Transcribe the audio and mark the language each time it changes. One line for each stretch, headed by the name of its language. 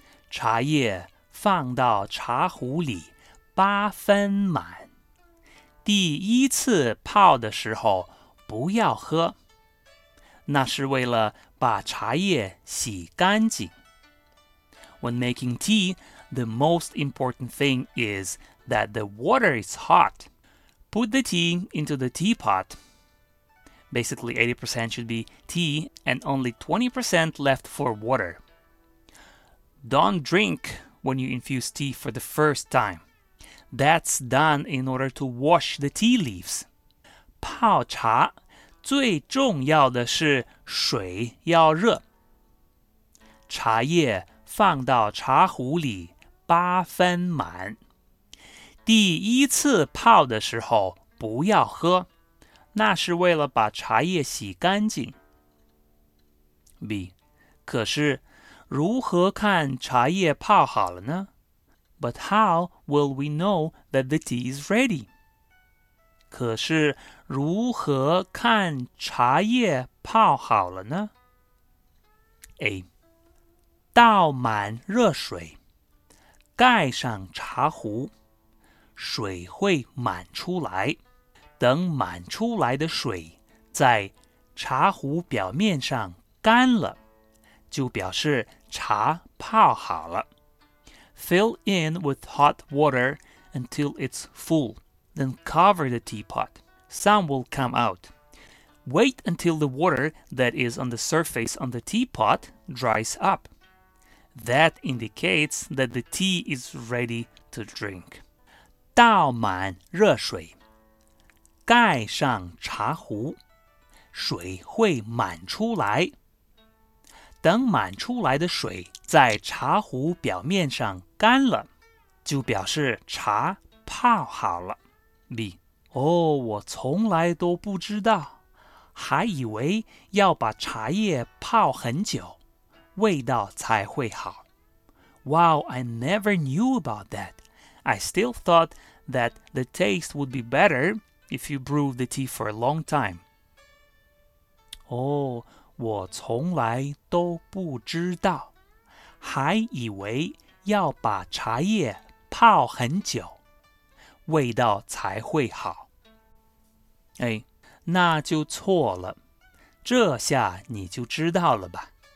Chinese: 茶叶放到茶壶里八分满。第一次泡的时候不要喝。那是为了把茶叶洗干净。
English: When making tea, the most important thing is that the water is hot. Put the tea into the teapot. Basically, 80% should be tea and only 20% left for water. Don't drink when you infuse tea for the first time. That's done in order to wash the tea leaves.
Chinese: 泡茶最重要的是水要热。茶叶放到茶壶里八分满。第一次泡的时候不要喝，那是为了把茶叶洗干净。 B. 可是如何看茶叶泡好了呢？
English: But how will we know that the tea is ready?
Chinese: 可是如何看茶叶泡好了呢？ A. 倒满热水，盖上茶壶，水会满出来。等满出来的水在茶壶表面上干了，就表示茶泡好了。
English: Fill in with hot water until it's full, then cover the teapot. Some will come out. Wait until the water that is on the surface on the teapot dries up. That indicates that the tea is ready to drink.
Chinese: 倒满热水，盖上茶壶，水会满出来。等满出来的水在茶壶表面上干了，就表示茶泡好了。 B， 哦，我从来都不知道，还以为要把茶叶泡很久，味道才会好。
English: Wow, I never knew about that. I still thought that the taste would be better if you brew the tea for a long time.
Chinese: 哦，我从来都不知道，还以为要把茶叶泡很久，味道才会好。哎，那就错了，这下你就知道了吧。